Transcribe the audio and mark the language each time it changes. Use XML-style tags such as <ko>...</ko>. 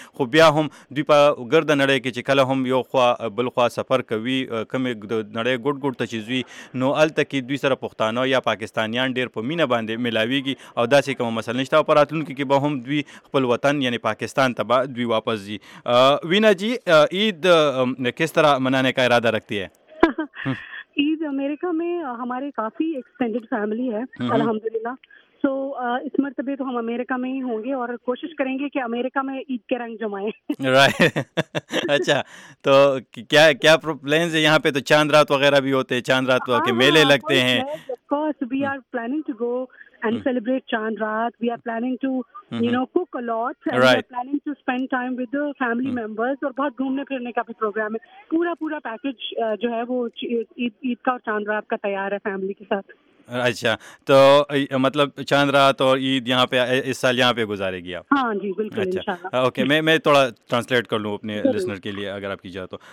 <ps>خو بیا هم دوی په ګرد نړۍ کې چې کله هم یو خوا بل خوا سفر کوي کم د نړۍ ګډ ګډ ته چیز وي نو الته کې دوی سره پښتانه یا پاکستانیان ډیر په مینه باندې ملاویږي. او داسې کوم مسله نشته په راتلونکو کې به هم دوی خپل وطن یعنی پاکستان ته به دوی واپس ځي.</ps> <ur>وینا جی, عید کس طرح منانے کا اراده رکھتی ہے؟ عید امریکہ میں ہمارے کافی ایکسٹینڈڈ فیملی ہے الحمدللہ, سو اس مرتبہ تو ہم امریکہ میں ہی ہوں گے اور کوشش کریں گے کہ امریکہ میں عید کے رنگ جمائیں.</ur> <en>Right.</en> <ur>اچھا, تو کیا کیا پلانز ہیں یہاں پہ؟ تو چاند رات وغیرہ بھی ہوتے ہیں, چاند رات کے میلے لگتے ہیں.</ur> <en>Course, we are planning to go and celebrate Chand Raat. We are planning to, you know, cook a lot. And right. We are planning to spend time with the family members. And there is a lot of roaming and program. The whole package is ready for Chand Raat with the family.</en> <ur>اچھا, تو مطلب چاند رات اور عید یہاں پہ اس سال یہاں پہ گزارے گی آپ؟ ہاں جی بالکل. اچھا, اوکے, میں تھوڑا ٹرانسلیٹ کر لوں اپنے لسنر کے لیے اگر آپ کی اجازت ہو.</ur>